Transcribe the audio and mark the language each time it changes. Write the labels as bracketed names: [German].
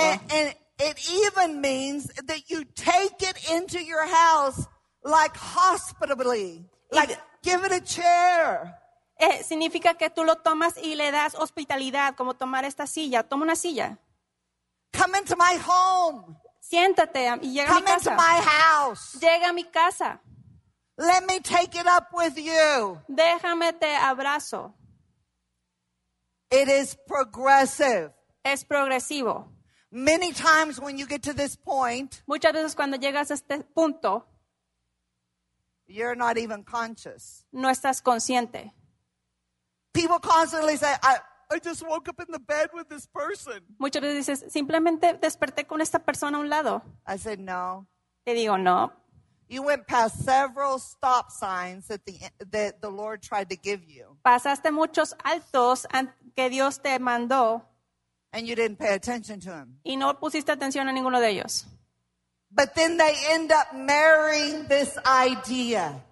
[English] And it even means that you take it into your house like hospitably. Like give it a chair. [Spanish] Significa que tú lo tomas y le das hospitalidad, como tomar esta silla. Toma una silla. [English] Come into my home. [Spanish] Siéntate y llega [English] Come [Spanish] a mi casa. [English] Come into my house. [Spanish] Llega a mi casa. [English] Let me take it up with you. [Spanish] Déjame te abrazo. [English] It is progressive. [Spanish] Es progresivo. [English] Many times when you get to this point, [Spanish] muchas veces cuando llegas a este punto, [English] you're not even conscious. [Spanish] No estás consciente. [English] People constantly say, I just woke up in the bed with this person. [Spanish] Muchas veces dices, simplemente desperté con esta persona a un lado. [English] I said, no. [Spanish] Te digo, no. [English] You went past several stop signs that the Lord tried to give you. [Spanish] Pasaste muchos altos que Dios te mandó. [English] And you didn't pay attention to them. [Spanish] Y no pusiste atención a ninguno de ellos. [English] But then they end up marrying this idea.